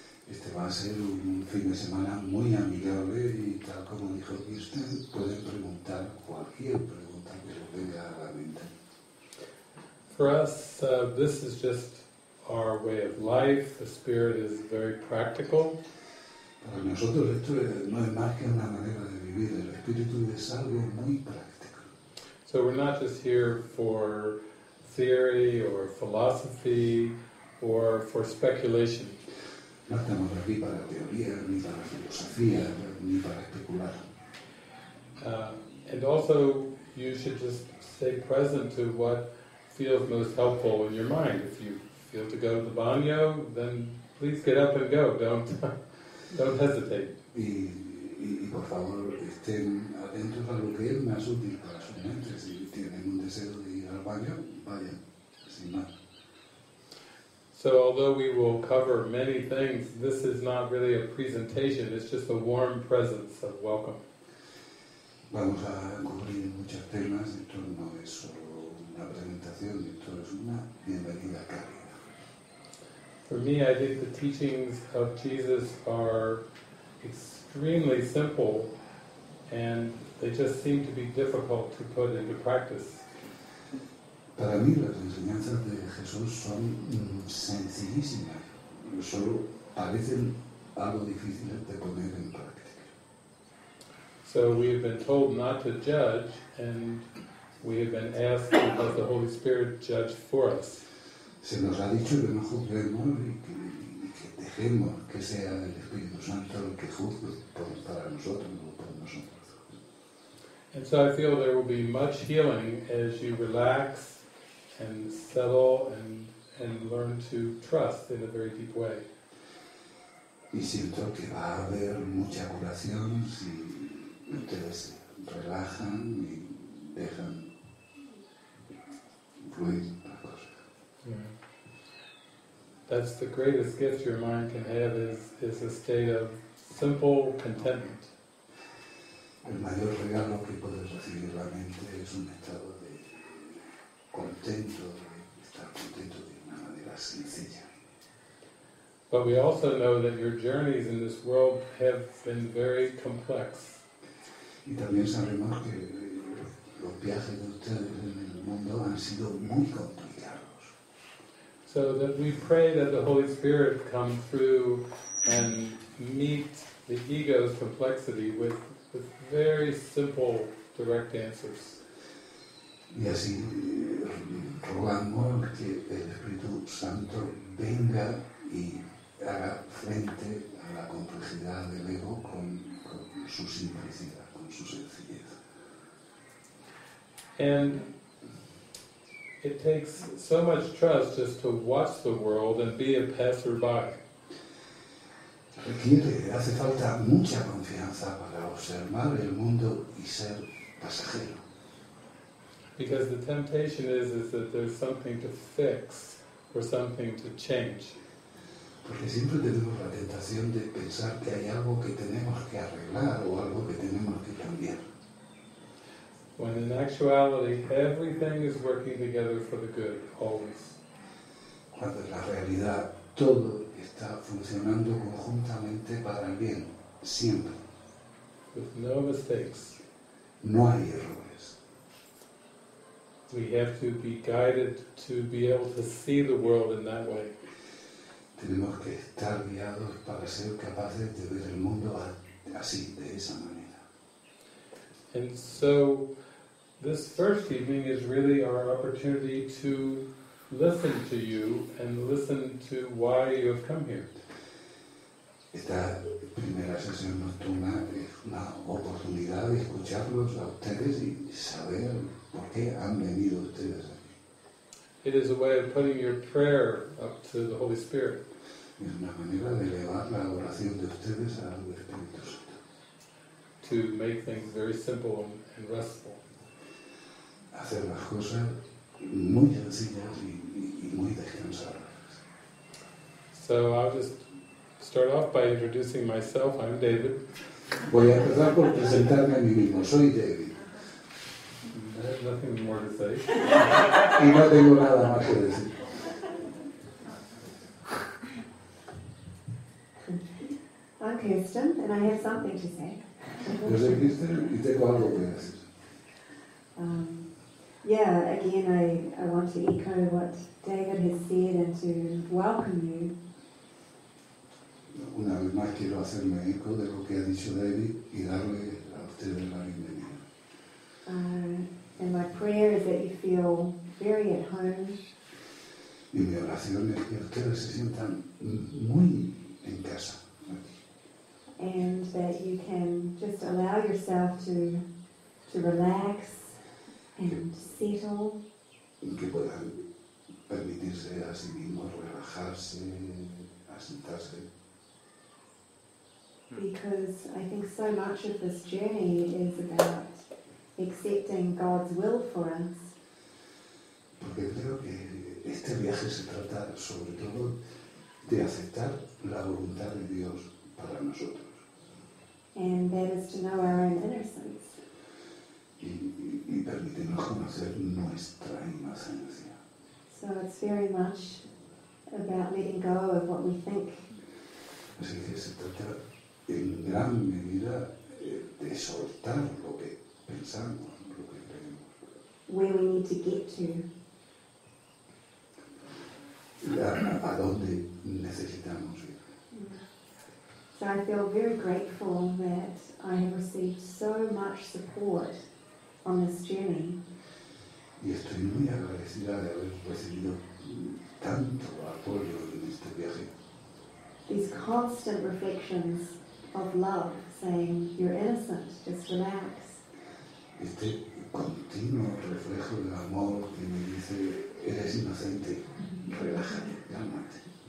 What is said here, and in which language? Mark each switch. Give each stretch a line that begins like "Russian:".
Spanish: Este va a ser un fin de semana muy amigable y tal como dijo Kirsten, pueden preguntar cualquier pregunta que les venga a la mente.
English: For us, this is just our way of life. The spirit is very practical.
Spanish: Para nosotros esto no es más que una manera de vivir. El espíritu es algo muy práctico.
English: So we're not just here for theory or philosophy or for speculation.
Spanish: No estamos aquí para teoría, ni para filosofía, ni para especular.
English: And also, you should just stay present to what feels most helpful in your mind. If you feel to go to the baño, then please get up and go. Don't hesitate.
Spanish: Y por favor, estén atentos a lo que es más útil para su mente. Si tienen un deseo de ir al baño, vayan, sin más.
English: So although we will cover many things, this is not really a presentation, it's just a warm presence of welcome.
Spanish: Vamos a cubrir muchos temas, esto no es solo una presentación, esto es una bienvenida cálida.
English: For me, I think the teachings of Jesus are extremely simple and they just seem to be difficult to put into practice.
Spanish: Para mí, las enseñanzas de Jesús son sencillísimas, solo parecen algo difícil de poner en práctica.
English: So we have been told not to judge and we have been asked to let the Holy Spirit judge for us.
Spanish: Se nos ha dicho que no juzguemos y que dejemos que sea el Espíritu Santo el que juzgue para nosotros, no por nosotros.
English: And so I feel there will be much healing as you relax and settle and learn to trust in a very deep way.
Spanish: Y siento que va a haber mucha curación si ustedes relajan y dejan fluir.
English: That's the greatest gift your mind can have is a state of simple contentment.
Spanish: El mayor regalo que puede recibir la mente es un estado de contento, de estar contento de una manera sencilla.
English: But we also know that your journeys in this world have been very complex.
Spanish: Y también sabemos que los viajes de ustedes en el mundo han sido muy complicados.
English: So that we pray that the Holy Spirit come through and meet the ego's complexity with very simple, direct answers.
Spanish: Y así rogamos que el Espíritu Santo venga y haga frente a la complejidad del ego con su simplicidad, con su sencillez.
English: And it takes so much trust just to watch the world and be a passerby.
Spanish: Hace falta mucha confianza para observar el mundo y ser pasajero.
English: Because the temptation is that there's something to fix or something to change.
Spanish: Porque siempre tenemos la tentación de pensar que hay algo que tenemos que arreglar o algo que tenemos que cambiar.
English: When in actuality, everything is working together for the good, always.
Spanish: Cuando en la realidad todo está funcionando conjuntamente para el bien, siempre.
English: With no mistakes.
Spanish: No hay errores.
English: We have to be guided to be able to see the world in that way.
Spanish: Tenemos que estar guiados para ser capaces de ver el mundo así, de esa manera.
English: And so, this first evening is really our opportunity to listen to you and listen to why you have come here.
Spanish: Esta primera sesión nocturna es una oportunidad de escucharlos a ustedes y saber por qué han venido ustedes aquí.
English: It is a way of putting your prayer up to the Holy Spirit.
Spanish: Es una manera de elevar la adoración de ustedes al Espíritu Santo.
English: To make things very simple and restful.
Spanish: Hacer las cosas muy sencillas y muy descansadas.
English: So I'll just start off by introducing myself. I'm David.
Spanish: Voy a empezar por presentarme a mí mismo. Soy David.
English: There's nothing more to say.
Spanish: Y no tengo nada más que decir.
English: I'm Kirsten, and I have something to say.
Spanish: Yo soy Kirsten, y tengo algo que decir.
English: Yeah, again, I want to echo what David has said and to welcome you.
Spanish: Una vez más quiero hacerme eco de lo que ha dicho David y darle a ustedes la bienvenida.
English: And my prayer is that you feel very at home.
Spanish: Y mi oración es que ustedes se sientan muy en casa.
English: And that you can just allow yourself to relax and settle.
Spanish: Y que puedan permitirse a sí mismos relajarse, asentarse.
English: Because I think so much of this journey is about accepting God's will for us.
Spanish: Porque creo que este viaje se trata sobre todo de aceptar la voluntad de Dios para nosotros.
English: And that is to know our own inner sense.
Spanish: Y permitirnos conocer nuestra inocencia.
English: So it's very much about letting go of what we think.
Spanish: Así que se trata en gran medida de soltar lo que pensamos, lo que creemos.
English: Where we need to get to.
Spanish: A dónde necesitamos ir.
English: So I feel very grateful that I have received so much support on this journey.
Spanish: Y estoy muy agradecida de haber recibido tanto apoyo en este viaje.
English: These constant reflections of love saying, you're innocent, just relax.
Spanish: Este continuo reflejo de amor que me dice, eres inocente, relájate, cálmate.